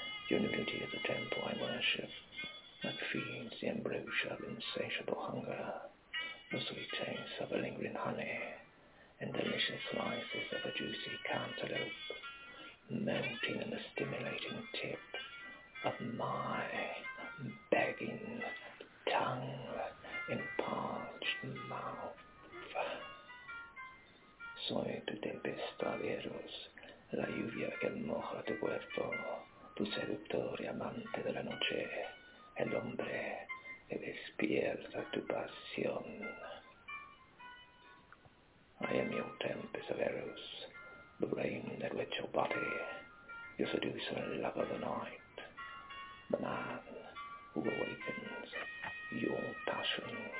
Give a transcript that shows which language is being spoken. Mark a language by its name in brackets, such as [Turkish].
[English] Your nudity is a temple I worship that feeds the ambrosia of insatiable hunger, the sweet taste of a lingering honey, and delicious slices of a juicy cantaloupe melting in the stimulating tip of my begging tongue and parched mouth. [Spanish] Soy tu tempesta vieros, la lluvia que moja tu cuerpo, tu seductor y amante de la noche, el hombre que despierta tu pasión. [English] I am your tempest of arrows, the rain that wets your body, your seducer and love of the night, the man who awakens your passion.